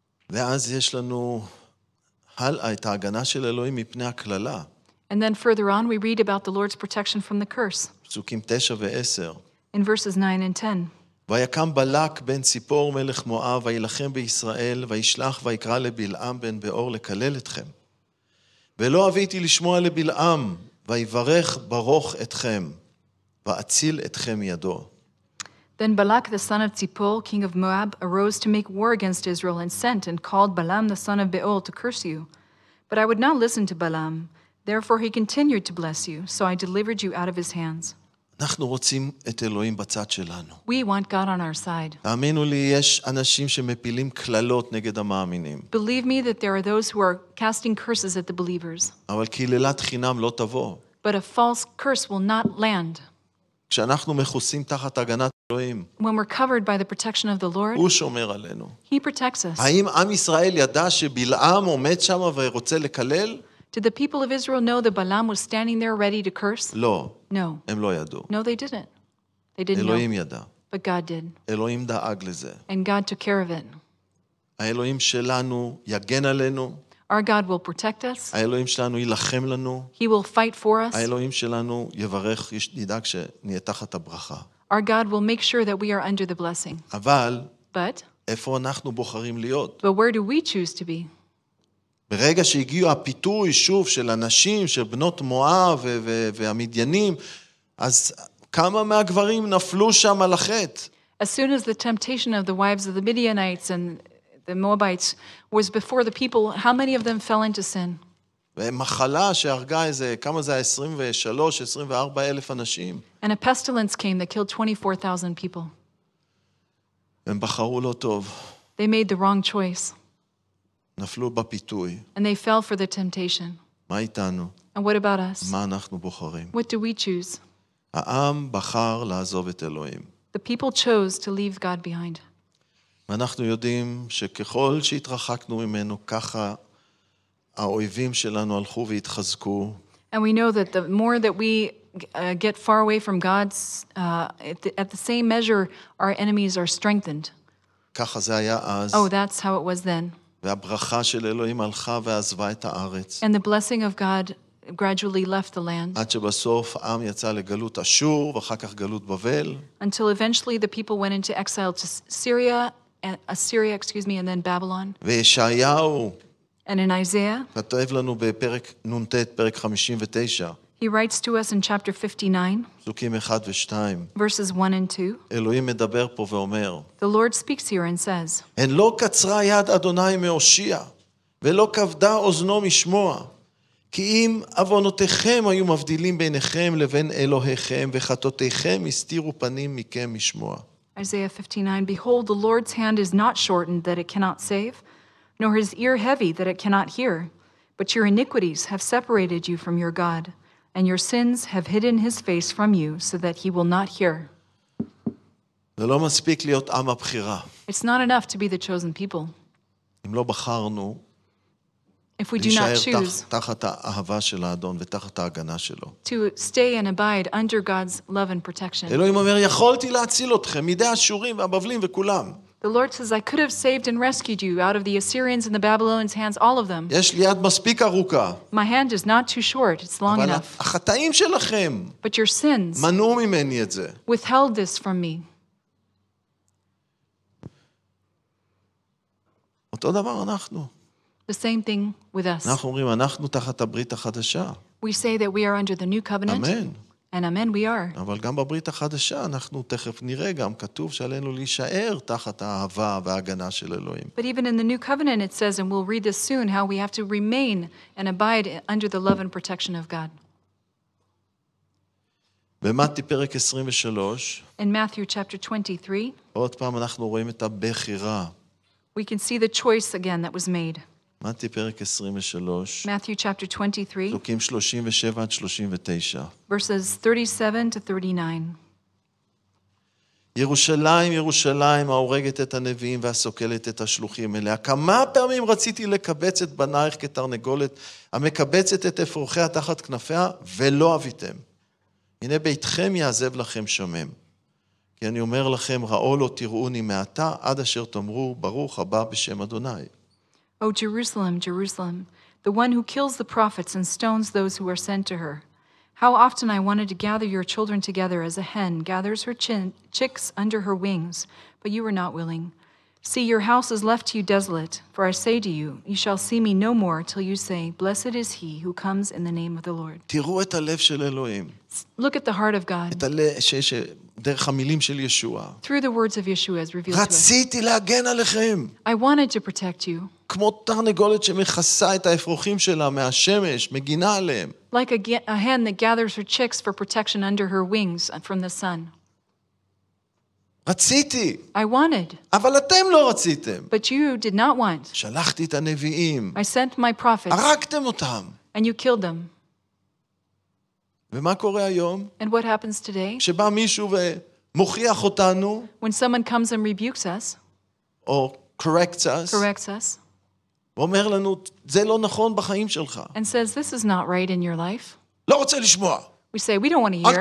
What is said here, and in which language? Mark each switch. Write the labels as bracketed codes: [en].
[he] ואז יש לנו הלאה את ההגנה של אלוהים מפני הקללה. [en] And then further on we read about the Lord's protection from the curse. [he] פסוקים 9 ו-10. [en] In verses 9 and 10. [he] ויקם בלק בן ציפור מלך מואב וילחם בישראל וישלח ויקרא לבלעם בן באור לקלל אתכם. ולא אביתי לשמוע לבלעם ויברך ברוך אתכם. ואציל אתכם ידו. [en] Then Balak the son of Zippor, king of Moab, arose to make war against Israel and sent and called Balaam the son of Beor to curse you. But I would not listen to Balaam. Therefore he continued to bless you, so I delivered you out of his hands. [he] אנחנו רוצים את אלוהים בצד שלנו. [en] We want God on our side. [he] תאמינו לי, יש אנשים שמפילים קללות נגד המאמינים. [en] Believe me that there are those who are casting curses at the believers. [he] אבל קללת חינם לא תבוא. [en] But a false curse will not land. [he] כשאנחנו מכוסים תחת הגנת אלוהים, [en] when we're covered by the protection of the Lord, [he] הוא שומר עלינו. [en] He protects us. [he] האם עם ישראל ידע שבלעם עומד שם ורוצה לקלל? [en] Did the people of Israel know that Balaam was standing there ready to curse? [he] לא. [en] No. [he] הם לא ידעו. [en] No, they didn't. They didn't [he] אלוהים [en] know. [he] ידע. [en] But God did. [he] אלוהים דאג לזה. [en] And God took care of it. [he] האלוהים שלנו יגן עלינו. [en] Our God will protect us. [he] האלוהים שלנו יילחם לנו. [en] He will fight for us. [he] האלוהים שלנו יברך, ידאג שנהיה תחת הברכה. [en] Our God will make sure that we are under the blessing. [he] אבל, [en] but, [he] איפה אנחנו בוחרים להיות? [en] But where do we choose to be? [he] ברגע שהגיעו הפיתוי שוב של אנשים, של בנות מואב והמדיינים, אז כמה מהגברים נפלו שם על החטא? [en] As soon as the temptation of the wives of the Midianites and the Moabites was before the people, how many of them fell into sin? [he] ומחלה שהרגה איזה, כמה זה 23-24 אלף אנשים. [en] And a pestilence came that killed 24,000 people. [he] הם בחרו לא טוב. [en] They made the wrong choice. [he] נפלו בפיתוי. [en] And they fell for the temptation. [he] מה איתנו? [en] And what about us? [he] מה אנחנו בוחרים? [en] What do we choose? [he] העם בחר לעזוב את אלוהים. [en] The people chose to leave God behind. [he] ואנחנו יודעים שככל שהתרחקנו ממנו, ככה האויבים שלנו הלכו והתחזקו. [en] And we know that the more that we get far away from God, at the same measure, our enemies are strengthened. [he] ככה זה היה אז. [en] Oh, that's how it was then. [he] והברכה של אלוהים הלכה ועזבה את הארץ. [en] And the blessing of God gradually left the land. [he] עד שבסוף העם יצא לגלות אשור, ואחר כך גלות בבל. [en] Until eventually the people went into exile to Syria, and Assyria, excuse me, and then Babylon. [he] וישעיהו. [en] And in Isaiah. [he] כתב לנו בפרק נ"ט, פרק 59. [en] He writes to us in chapter 59. [he] פסוקים 1 ו-2. [en] Verses 1 and 2. [he] אלוהים מדבר פה ואומר. [en] The Lord speaks here and says. [he] אין לא קצרה יד אדוני מהושיע, ולא כבדה אוזנו משמוע. כי אם אבונותיכם היו מבדילים ביניכם לבין אלוהיכם, וחטותיכם הסתירו פנים מכם משמוע. [en] Isaiah 59, Behold, the Lord's hand is not shortened that it cannot save, nor his ear heavy that it cannot hear. But your iniquities have separated you from your God, and your sins have hidden his face from you so that he will not hear. [he] ולא מספיק להיות עם הבחירה. [en] It's not enough to be the chosen people. [he] אם לא בחרנו, [en] if we do not choose [he] תחת האהבה של האדון ותחת ההגנה שלו [en] to stay and abide under God's love and protection. [he] אלוהים אומר יכולתי להציל אתכם מידי האשורים והבבלים וכולם. [en] The Lord says I could have saved and rescued you out of the Assyrians and the Babylonians' hands, all of them. [he] יש לי יד מספיק ארוכה. [en] My hand is not too short, it's long enough. [he] אבל החטאים שלכם [en] but your sins [he] מנעו ממני את זה. [en] Withheld this from me. [he] אותו דבר אנחנו. [en] The same thing with us. [he] אנחנו אומרים אנחנו תחת הברית החדשה. [en] We say that we are under the new covenant. [he] אמן. [en] And amen we are. [he] אבל גם בברית החדשה אנחנו תכף נראה גם כתוב שעלינו להישאר תחת האהבה וההגנה של אלוהים. [en] But even in the new covenant it says and we'll read this soon how we have to remain and abide under the love and protection of God. [he] במתי פרק 23. [en] In Matthew chapter 23. [he] עוד פעם אנחנו רואים את הבחירה. [en] We can see the choice again that was made. [he] מתי פרק 23 [en] Matthew chapter 23 [he] פסוקים 37 עד 39 [en] verses 37 to 39 [he] ירושלים ירושלים ההורגת את הנביאים והסוקלת את השלוחים אליה כמה פעמים רציתי לקבץ את בנייך כתרנגולת המקבצת את אפרוחיה תחת כנפיה ולא אביתם הנה ביתכם יעזב לכם שומם כי אני אומר לכם ראו לא תראוני מעתה עד אשר תאמרו ברוך הבא בשם אדוני [en] O Jerusalem, Jerusalem, the one who kills the prophets and stones those who are sent to her. How often I wanted to gather your children together as a hen gathers her chicks under her wings, but you were not willing. See, your house is left to you desolate, for I say to you, you shall see me no more till you say, Blessed is he who comes in the name of the Lord. [he] תראו את הלב של אלוהים. [en] Look at the heart of God. [he] את הלב שיש דרך המילים של ישוע. [en] Through the words of Yeshua as revealed to us. [he] רציתי להגן עליכם. [en] I wanted to protect you. [he] כמו תרנגולת שמכסה את האפרוחים שלה מהשמש, מגינה עליהם. [en] Like a hen that gathers her chicks for protection under her wings from the sun. [he] רציתי. [en] I wanted. [he] אבל אתם לא רציתם. [en] But you did not want. [he] שלחתי את הנביאים. [en] I sent my prophets. [he] הרגתם אותם. [en] And you killed them. [he] ומה קורה היום? [en] And what happens today? [he] שבא מישהו ומוכיח אותנו. [en] When someone comes and rebukes us. [he] או [en] corrects us. Corrects us. [he] ואומר לנו, זה לא נכון בחיים שלך. [en] And says, this is not right in your life. [he] לא רוצה לשמוע. [en] We say, we don't want to hear.